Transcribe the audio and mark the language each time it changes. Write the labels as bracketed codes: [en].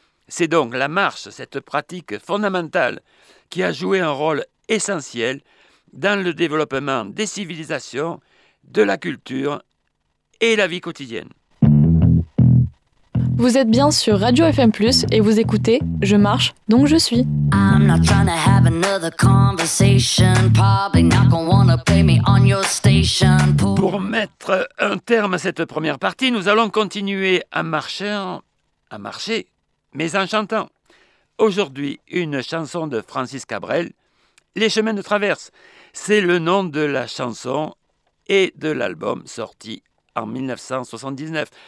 [fr] C'est donc la marche, cette pratique fondamentale, qui a joué un rôle essentiel dans le développement des civilisations, de la culture et la vie quotidienne. Vous êtes bien sur Radio FM Plus et vous écoutez Je marche, donc je suis. [en] I'm not trying to have another conversation. Probably not gonna wanna play me on your station. [fr] Pour mettre un terme à cette première partie, nous allons continuer à marcher, mais en chantant. Aujourd'hui, une chanson de Francis Cabrel, Les chemins de traverse. C'est le nom de la chanson et de l'album sorti en 1979.